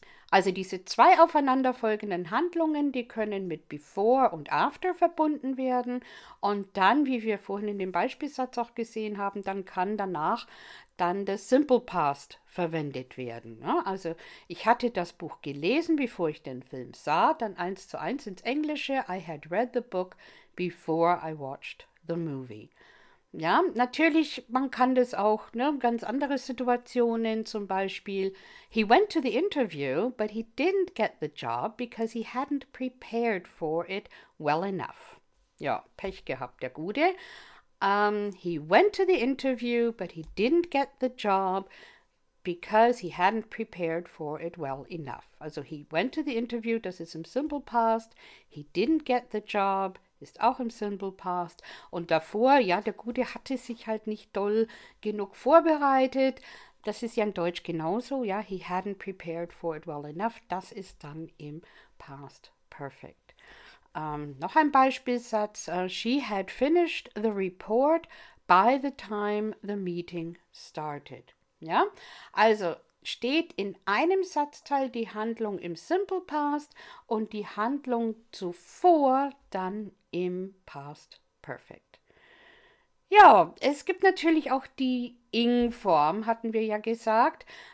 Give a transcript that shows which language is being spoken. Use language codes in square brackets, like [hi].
[de] Also diese zwei aufeinanderfolgenden Handlungen, die können mit before und after verbunden werden. Und dann, wie wir vorhin in dem Beispielsatz auch gesehen haben, dann kann danach dann das Simple Past verwendet werden. Ne? Also ich hatte das Buch gelesen, bevor ich den Film sah, dann 1:1 ins Englische. [en] I had read the book before I watched the movie. [de] Ja, natürlich, man kann das auch, ne, ganz andere Situationen, zum Beispiel, [en] he went to the interview, but he didn't get the job because he hadn't prepared for it well enough. [de] Ja, Pech gehabt, der Gute. [en] He went to the interview, but he didn't get the job because he hadn't prepared for it well enough. Also, he went to the interview, [de] das ist im Simple Past, [en] he didn't get the job. [de] Ist auch im Simple Past. Und davor, ja, der Gute hatte sich halt nicht doll genug vorbereitet. Das ist ja in Deutsch genauso, ja. [en] He hadn't prepared for it well enough. [de] Das ist dann im Past Perfect. Noch ein Beispielsatz. [en] She had finished the report by the time the meeting started. [de] Ja, also steht in einem Satzteil die Handlung im Simple Past und die Handlung zuvor dann im Past Perfect. Ja, es gibt natürlich auch die Ing-Form, hatten wir ja gesagt.